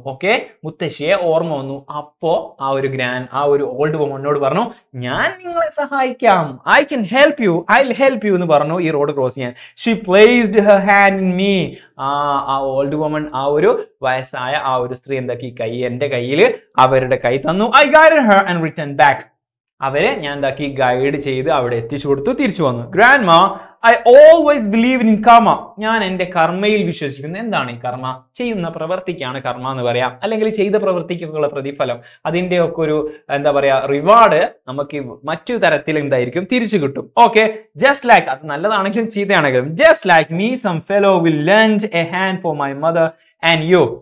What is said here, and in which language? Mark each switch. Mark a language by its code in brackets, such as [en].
[ml] Okay, മുത്തശ്ശിയെ ഓർമ്മ വന്നു. അപ്പോ ആ ഒരു ഗ്രാൻ, ആ ഒരു ഓൾഡ് വുമനോട് പറഞ്ഞു, ഞാൻ നിങ്ങളെ സഹായിക്കാം, [en] I can help you, I will help you [ml] എന്ന് പറഞ്ഞു ഈ റോഡ് ക്രോസ് ചെയ്യാൻ. [en] she placed her hand in me, [ml] ആ ഓൾഡ് വുമൺ, ആ ഒരു വയസ്സായ ആ ഒരു സ്ത്രീ എന്താക്കി, കൈ എന്റെ കയ്യിൽ അവരുടെ കൈ തന്നു. [en] I guided her and return back, [ml] അവരെ ഞാൻ എന്താക്കി, ഗൈഡ് ചെയ്ത് അവിടെ എത്തിച്ചു കൊടുത്തു, തിരിച്ചു വന്നു. [en] Grandma, I always believe in karma. [ml] ഞാൻ എന്റെ കർമ്മയിൽ വിശ്വസിക്കുന്നു. എന്താണ് ഈ കർമ്മ? ചെയ്യുന്ന പ്രവൃത്തിക്കാണ് കർമ്മ എന്ന് പറയാം, അല്ലെങ്കിൽ ചെയ്ത പ്രവൃത്തിക്കുള്ള പ്രതിഫലം, അതിന്റെ ഒക്കെ ഒരു എന്താ പറയാ റിവാർഡ് നമുക്ക് മറ്റു തരത്തിൽ എന്തായിരിക്കും, തിരിച്ചു കിട്ടും. [en] okay, just like, [ml] അത് നല്ലതാണെങ്കിലും ചീത്തയാണെങ്കിലും, [en] Just like me some fellow will lend a hand for my mother and you.